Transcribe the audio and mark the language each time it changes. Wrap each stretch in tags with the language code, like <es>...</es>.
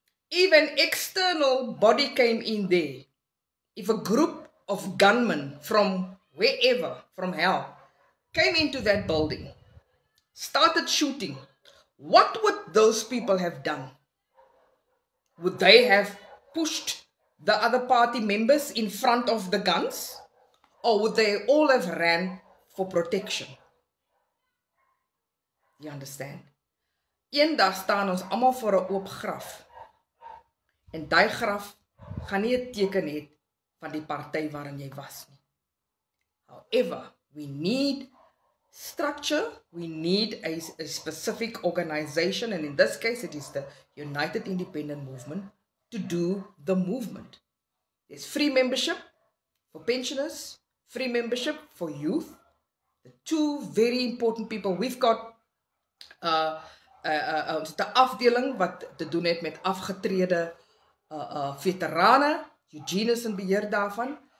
<en>If an external body came in there, if a group of gunmen from wherever, from hell, came into that building, started shooting, what would those people have done? Would they have pushed the other party members in front of the guns? Or would they all have ran for protection? You understand?</en> <af>Eendag staan ons allemaal voor een oop graf. En die graf gaan nie 'n teken hê van die party waarin jy was nie.</af> <en>However, we need structure, we need a specific organization, and in this case it is the United Independent Movement, to do the movement. There's free membership for pensioners, free membership for youth, the two very important people. We've got the</en> <af>afdeling wat te doen het met afgetrede veterane, Eugene is in beheer daarvan.</af>